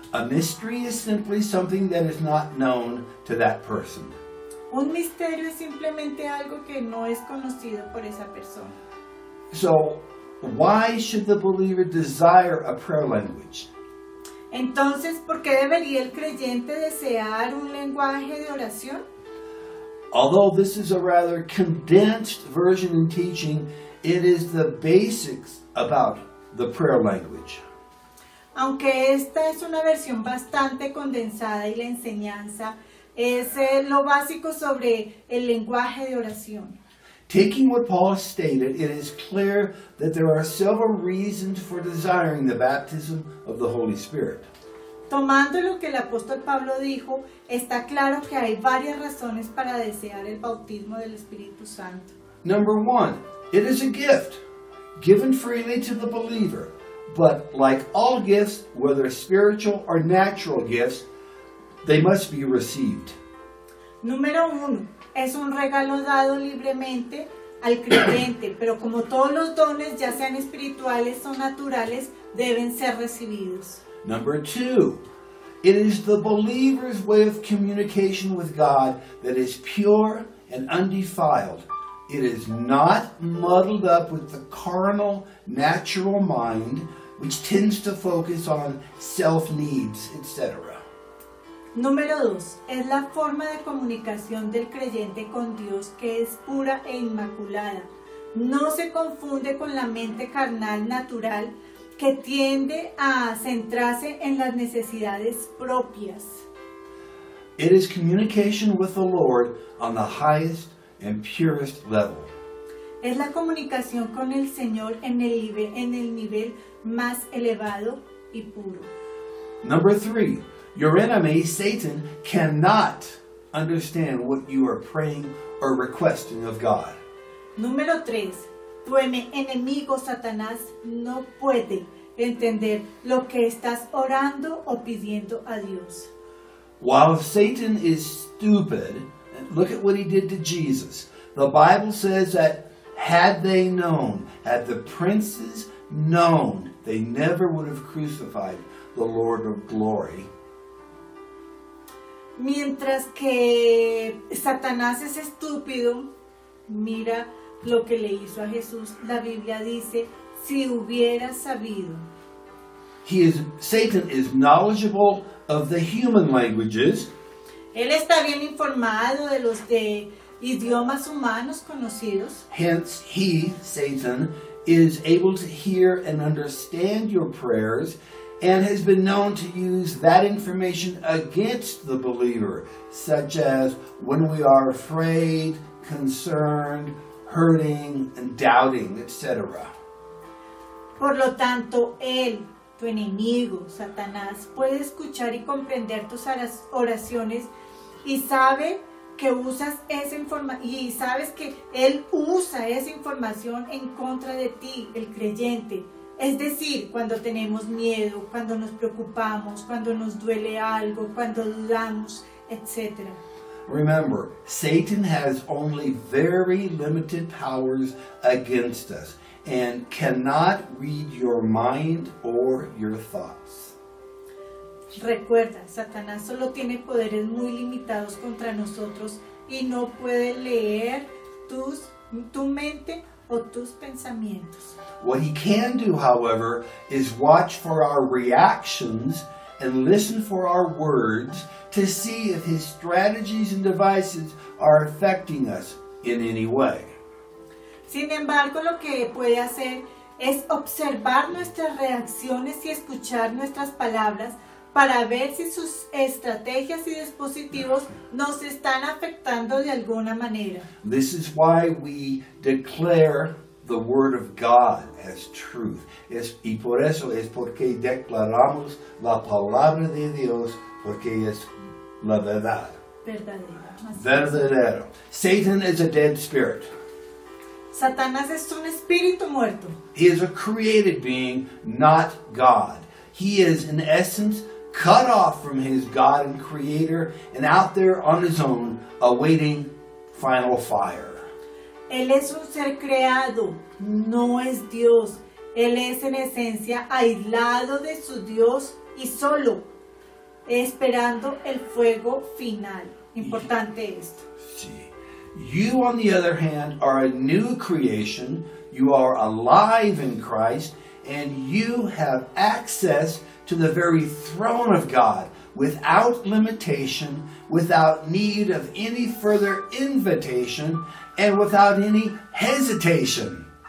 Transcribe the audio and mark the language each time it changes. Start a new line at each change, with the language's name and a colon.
English: A mystery is simply something that is not known to that person.
Spanish: Un misterio es simplemente algo que no es conocido por esa persona.
English: So, why should the believer desire a prayer language?
Spanish: Entonces, ¿por qué debería el creyente desear un lenguaje de oración?
English: Although this is a rather condensed version in teaching, it is the basics about the prayer language.
Spanish: aunque esta es una versión bastante condensada y la enseñanza es lo básico sobre el lenguaje de oración.
English: Taking what Paul has stated, it is clear that there are several reasons for desiring the baptism of the Holy Spirit.
Spanish: Tomando lo que el apóstol Pablo dijo, está claro que hay varias razones para desear el bautismo del Espíritu Santo.
English: Number one, it is a gift given freely to the believer, but like all gifts, whether spiritual or natural gifts, they must be received.
Spanish: Número uno, es un regalo dado libremente al creyente, pero como todos los dones, ya sean espirituales o naturales, deben ser recibidos.
English: Number two, it is the believer's way of communication with God that is pure and undefiled. It is not muddled up with the carnal, natural mind, which tends to focus on self-needs, etc.
Spanish: Número dos, es la forma de comunicación del creyente con Dios que es pura e inmaculada. No se confunde con la mente carnal natural que tiende a centrarse en las necesidades propias.
English: It is communication with the Lord on the highest and purest level.
Spanish: Es la comunicación con el Señor en el nivel más elevado y puro.
English: Number three, your enemy, Satan, cannot understand what you are praying or requesting of God.
Spanish: Número tres, tu enemigo, Satanás, no puede entender lo que estás orando o pidiendo a Dios.
English: While Satan is stupid, look at what he did to Jesus. The Bible says that had they known, had the princes known, they never would have crucified the Lord of glory.
Spanish: Mientras que Satanás es estúpido, mira lo que le hizo a Jesús. La Biblia dice, si hubiera sabido.
English: Satan is knowledgeable of the human languages.
Spanish: Él está bien informado de los idiomas humanos conocidos.
English: Hence, he, Satan, is able to hear and understand your prayers and has been known to use that information against the believer, such as when we are afraid, concerned, hurting, and doubting, etc.
Spanish: Por lo tanto, él, tu enemigo, Satanás, puede escuchar y comprender tus oraciones y sabe que usas esa información, y sabes que él usa esa información en contra de ti, el creyente. Es decir, cuando tenemos miedo, cuando nos preocupamos, cuando nos duele algo, cuando dudamos, etc.
English: Remember, Satan has only very limited powers against us and cannot read your mind or your thoughts.
Spanish: Recuerda, Satanás solo tiene poderes muy limitados contra nosotros y no puede leer tu mente o tus pensamientos.
English: What he can do, however, is watch for our reactions and listen for our words to see if his strategies and devices are affecting us in any way.
Spanish: Sin embargo, lo que puede hacer es observar nuestras reacciones y escuchar nuestras palabras para ver si sus estrategias y dispositivos nos están afectando de alguna manera.
English: This is why we declare the word of God as truth.
Spanish: Y por eso es porque declaramos la palabra de Dios porque es la verdad. Verdadero.
English: Satan is a dead spirit.
Spanish: Satanás es un espíritu muerto.
English: He is a created being, not God. He is in essence cut off from his God and creator and out there on his own awaiting final fire.
Spanish: Él es un ser creado, no es Dios. Él es en esencia aislado de su Dios y solo esperando el fuego final. Importante esto. Sí.
English: You, on the other hand, are a new creation. You are alive in Christ and you have access to the very throne of God without limitation, without need of any further invitation, and without any hesitation.